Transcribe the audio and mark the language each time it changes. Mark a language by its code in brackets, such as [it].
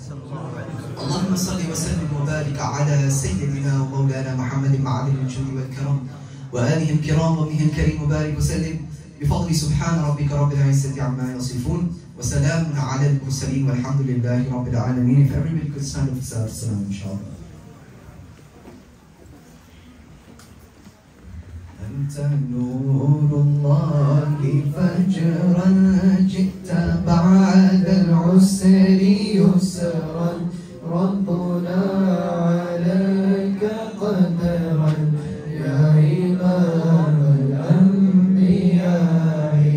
[ar] اللهم صل وسلم وبارك على سيدنا ومولانا محمد معالم الجود والكرم وآله الكرام ومنه الكريم وبارك وسلم بفضل سبحان ربك رب العزة عما يصفون وسلام على المرسلين والحمد لله رب العالمين. [en] If everybody could stand up, [ar] السلام إن شاء الله. أنت نور الله فجرا جئت بعد العسر يسرا ربنا عليك قدرا يا إمام الأنبياء